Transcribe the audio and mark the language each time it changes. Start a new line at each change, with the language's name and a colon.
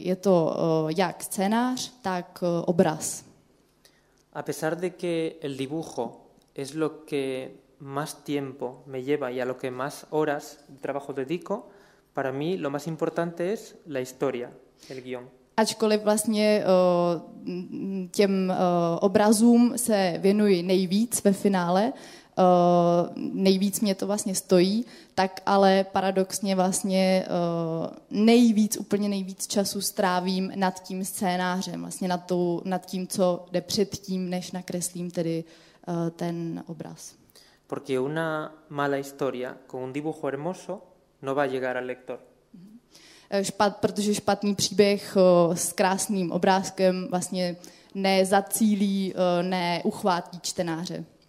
Czech: Je to jak scénář, tak obraz.
Spanish: A pesar de que el dibujo es lo que más tiempo me lleva y a lo que más horas de trabajo dedico, para mí lo más importante es la historia, el guión.
Czech: Ačkoliv vlastně těm obrazům se věnuji nejvíc ve finále, nejvíc mě to vlastně stojí, tak ale paradoxně vlastně nejvíc, úplně nejvíc času strávím nad tím scénářem, vlastně nad tím, co jde předtím, než nakreslím tedy ten obraz.
Spanish: Porque una mala historia con un dibujo hermoso no va a llegar al lector.
Czech: Protože špatný příběh s krásným obrázkem vlastně nezacílí, neuchvátí čtenáře.